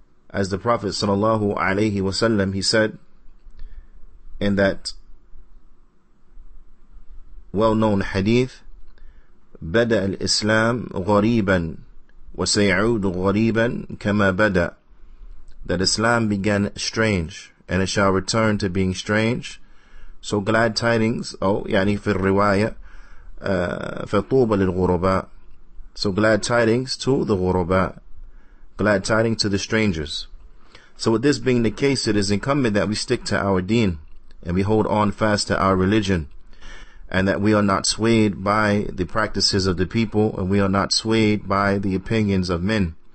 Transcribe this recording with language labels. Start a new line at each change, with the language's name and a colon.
English: As the Prophet sallallahu alayhi wasallam, he said in that well-known hadith,
Arabic: bada al-islam ghariban wa say'ud ghariban kama bada,
English: that Islam began strange and it shall return to being strange. So glad tidings,
Arabic: يعني في الرواية فطوبة للغرباء.
English: So glad tidings to the غرباء, glad tidings to the strangers. So with this being the case, it is incumbent that we stick to our deen and we hold on fast to our religion, and that we are not swayed by the practices of the people and we are not swayed by the opinions of men.